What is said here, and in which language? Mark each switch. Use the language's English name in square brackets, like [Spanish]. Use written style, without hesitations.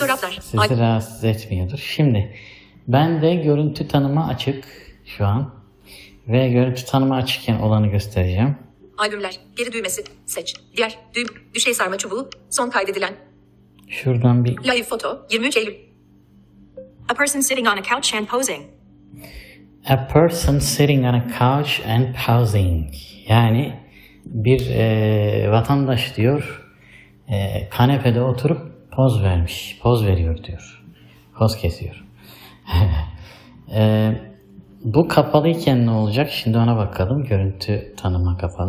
[Turkish] fotoğraflar. Sizi rahatsız etmiyordur. Şimdi ben de görüntü tanıma açık şu an. Ve görüntü tanıma açıkken olanı göstereceğim. Albümler, geri düğmesi, seç. Diğer, düğüm, düşey sarma çubuğu, son kaydedilen. Şuradan bir live foto, 23 Eylül. [English] A person sitting on a couch and posing. A person sitting on a couch and posing. [Turkish] Yani bir vatandaş diyor, kanepede oturup poz vermiş, poz veriyor diyor. Poz kesiyor. Bu kapalıyken ne olacak? Şimdi ona bakalım. Görüntü tanıma kapalı.